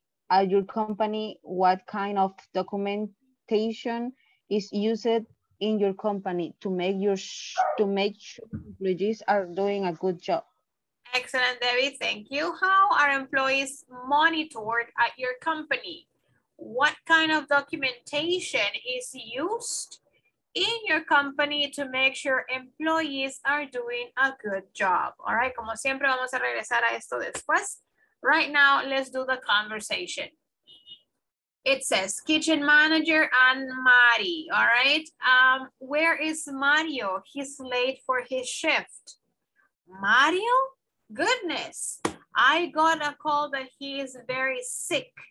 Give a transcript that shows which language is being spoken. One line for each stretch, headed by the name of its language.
English: At your company, what kind of documentation is used in your company to make your employees are doing a good job? Excellent, Debbie. Thank you. How are employees monitored at your company? What kind of documentation is used in your company to make sure employees are doing a good job? All right,
Spanish: como siempre, vamos a regresar a esto después.
English: Right now, let's do the conversation. It says, kitchen manager and Mari, all right? Where is Mario? He's late for his shift. Mario? Goodness, I got a call that he is very sick.